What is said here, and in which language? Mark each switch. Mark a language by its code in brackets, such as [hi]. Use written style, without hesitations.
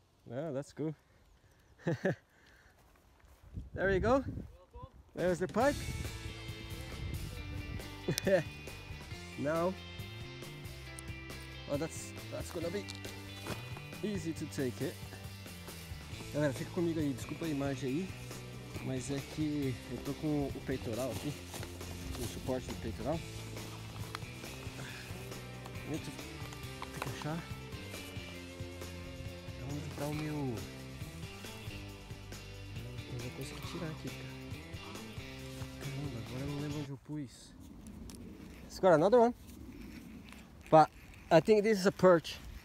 [en] Yeah, that's cool. There you go. Welcome. There's the pike. Now, oh, that's gonna be easy to take it. [pt] Galera, fica comigo aí, desculpa a imagem aí, mas é que eu tô com o peitoral aqui, o suporte do peitoral. Tem que achar onde tá o meu. Eu vou conseguir tirar aqui, cara. Caramba, agora eu não lembro onde eu pus. [en] It's got another one. But I think this is a perch.